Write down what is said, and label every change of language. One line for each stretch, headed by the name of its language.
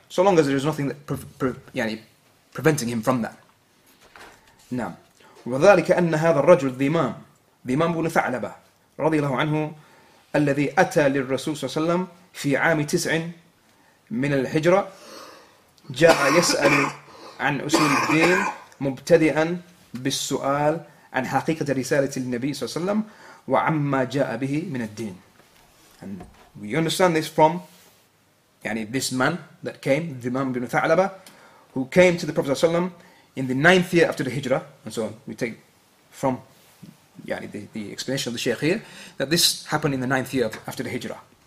English: So long as there is nothing that preventing him from that.
Arabic: نعم. وذلك أن هذا الرجل ذمام بن ثعلبة رضي الله عنه الذي أتى للرسول صلى الله عليه وسلم في عام 90 من الهجرة جاء يسأل عن أصول الدين مبتدئا بالسؤال عن حقيقة رسالة النبي صلى الله عليه وسلم وعما جاء به من الدين.
English: And we understand this from this man that came, Dhimam ibn Tha'laba, who came to the Prophet ﷺ in the ninth year after the Hijrah. And so we take from the explanation of the Shaykh here that this happened in the ninth year after the Hijrah.